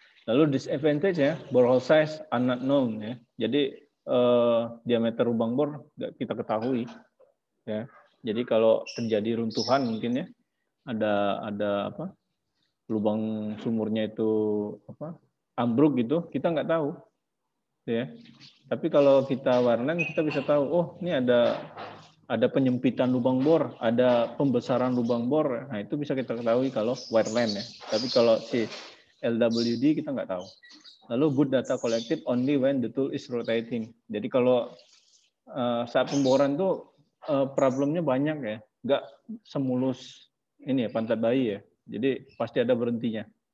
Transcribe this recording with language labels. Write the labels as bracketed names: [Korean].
[English] Lalu disadvantage-nya borehole size are not known ya. [Indonesian] Jadi diameter lubang bor nggak kita ketahui ya. Jadi kalau terjadi runtuhan mungkin ya, ada apa, lubang sumurnya itu apa ambruk gitu, kita nggak tahu ya. Tapi kalau kita warnain, kita bisa tahu, oh ini ada penyempitan lubang bor, ada pembesaran lubang bor. Nah itu bisa kita ketahui kalau wireline ya. Tapi kalau si LWD kita nggak tahu. [English] Lalu good data collected only when the tool is rotating. [Indonesian] Jadi kalau saat pemboran tuh problemnya banyak ya, nggak semulus ini ya, pantat bayi ya. Jadi pasti ada berhentinya.